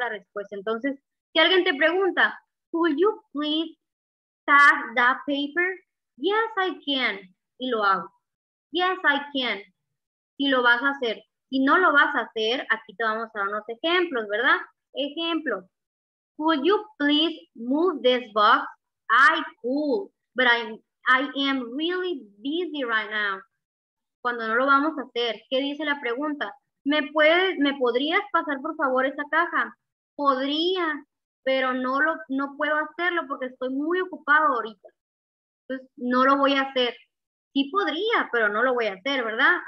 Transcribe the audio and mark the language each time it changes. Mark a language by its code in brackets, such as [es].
[es] La respuesta. Entonces, si alguien te pregunta, could you please pass that paper? Yes, I can. Y lo hago. Yes, I can. Si lo vas a hacer. Si no lo vas a hacer, aquí te vamos a dar unos ejemplos, ¿verdad? [en] Ejemplo. Could you please move this box? I could, but I am really busy right now. [es] Cuando no lo vamos a hacer, ¿qué dice la pregunta? ¿Me podrías pasar por favor esa caja? Podría, pero no puedo hacerlo porque estoy muy ocupado ahorita. Entonces, no lo voy a hacer. Sí podría, pero no lo voy a hacer, ¿verdad?